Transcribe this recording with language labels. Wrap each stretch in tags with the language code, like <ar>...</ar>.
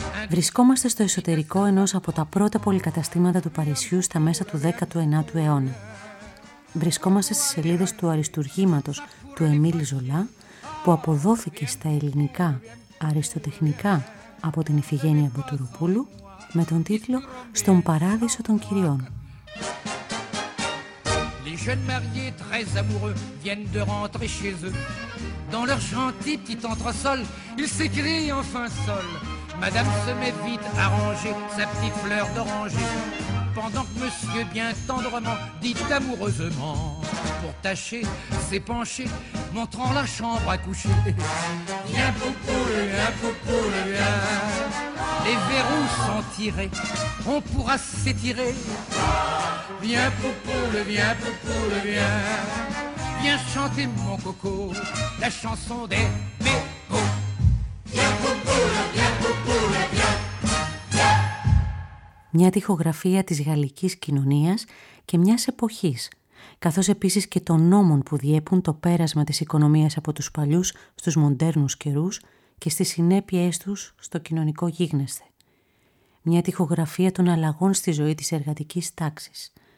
<el>Βρισκόμαστε στο εσωτερικό ενός από τα πρώτα πολυκαταστήματα του Παρισιού στα μέσα του 19ου αιώνα. Βρισκόμαστε στις σελίδες του Αριστουργήματος του Εμίλ Ζολά, που αποδόθηκε στα ελληνικά αριστοτεχνικά από την Ηφηγένεια Μπουτουροπούλου με τον τίτλο «Στον Παράδεισο των Κυριών».</el> <fr>Les jeunes mariés très amoureux viennent de rentrer chez eux. Dans leur gentil petit entresol, ils s'écrient enfin sol. Madame se met vite à ranger sa petite fleur d'oranger. Pendant que monsieur bien tendrement dit amoureusement pour tâcher ses penchés montrant la chambre à coucher. Viens poupoule, viens poupoule, viens. Les verrous sont tirés, on pourra s'étirer. Viens poupoule, viens poupoule, viens. Viens chanter mon coco, la chanson des mégots. Viens poupoule, viens poupoule, viens.</fr> <el>Μια τοιχογραφία της γαλλικής κοινωνίας και μιας εποχής, καθώς επίσης και των νόμων που διέπουν το πέρασμα της οικονομίας από τους παλιούς στους μοντέρνους καιρούς και στις συνέπειές τους στο κοινωνικό γίγνεσθε. Μια τοιχογραφία των αλλαγών στη ζωή της εργατικής τάξης,</el>